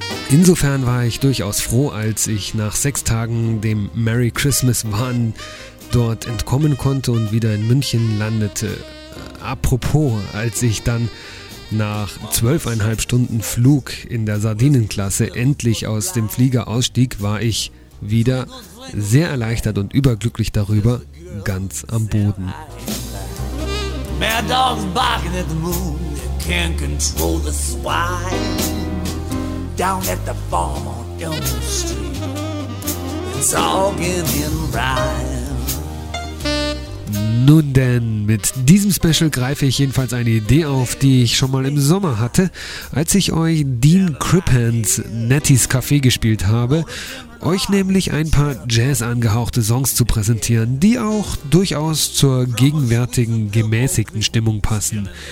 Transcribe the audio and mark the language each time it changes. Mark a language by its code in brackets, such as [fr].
[de] Insofern war ich durchaus froh, als ich nach 6 Tagen dem Merry Christmas-Wahn dort entkommen konnte und wieder in München landete. Apropos, als ich dann nach 12,5 Stunden Flug in der Sardinenklasse endlich aus dem Flieger ausstieg, war ich wieder sehr erleichtert und überglücklich darüber, ganz am Boden. [en] Mad dogs barking at the moon, can't control the sky. Down at the farm on Elm Street, it's all getting right. [de] Nun denn, mit diesem Special greife ich jedenfalls eine Idee auf, die ich schon mal im Sommer hatte, als ich euch Dean Crippens Nettys Café gespielt habe, euch nämlich ein paar Jazz angehauchte Songs zu präsentieren, die auch durchaus zur gegenwärtigen, gemäßigten Stimmung passen.